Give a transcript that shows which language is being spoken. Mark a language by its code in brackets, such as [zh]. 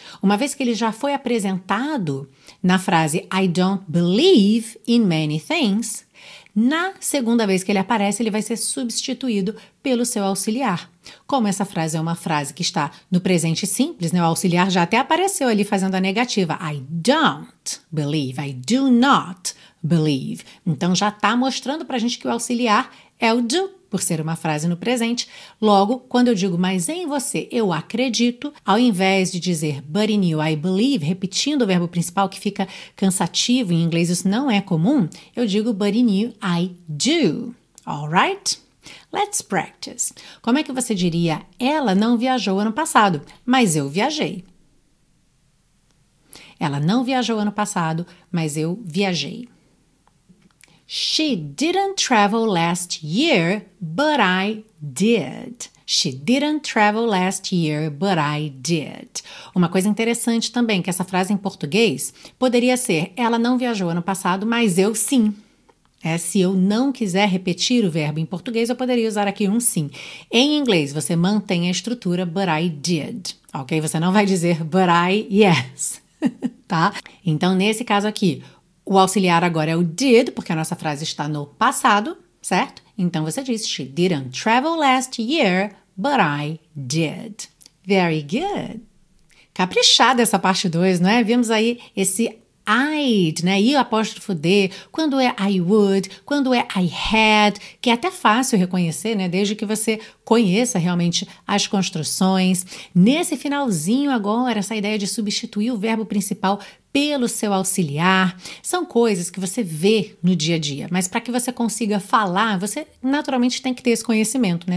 [pt] Uma vez que ele já foi apresentado na frase [en] I don't believe in many things, [pt] Na segunda vez que ele aparece, ele vai ser substituído pelo seu auxiliar. Como essa frase é uma frase que está no presente simples, né? O auxiliar já até apareceu ali fazendo a negativa. [en] I don't believe, I do not believe. [pt] Então, já está mostrando para a gente que o auxiliar é o do, por ser uma frase no presente. Logo, quando eu digo, mas em você eu acredito, ao invés de dizer, [en] but in you I believe, [pt] repetindo o verbo principal que fica cansativo, em inglês isso não é comum, eu digo, [en] but in you I do. All right? Let's practice. [pt] Como é que você diria, ela não viajou ano passado, mas eu viajei? Ela não viajou ano passado, mas eu viajei. [en] She didn't travel last year, but I did. She didn't travel last year, but I did. [pt] Uma coisa interessante também, que essa frase em português poderia ser, ela não viajou ano passado, mas eu sim. É, se eu não quiser repetir o verbo em português, eu poderia usar aqui um sim. Em inglês, você mantém a estrutura, [en] but I did. [pt] Ok? Você não vai dizer, [en] but I, yes. [pt] Tá? Então, nesse caso aqui, o auxiliar agora é o did, porque a nossa frase está no passado, certo? Então, você diz, [en] she didn't travel last year, but I did. Very good. [pt] Caprichada essa parte 2, não é? Vimos aí esse I'd, né? E o apóstrofo D, quando é I would, quando é I had, que é até fácil reconhecer, né? Desde que você conheça realmente as construções. Nesse finalzinho agora, essa ideia de substituir o verbo principal pelo seu auxiliar, são coisas que você vê no dia a dia, mas para que você consiga falar, você naturalmente tem que ter esse conhecimento, né?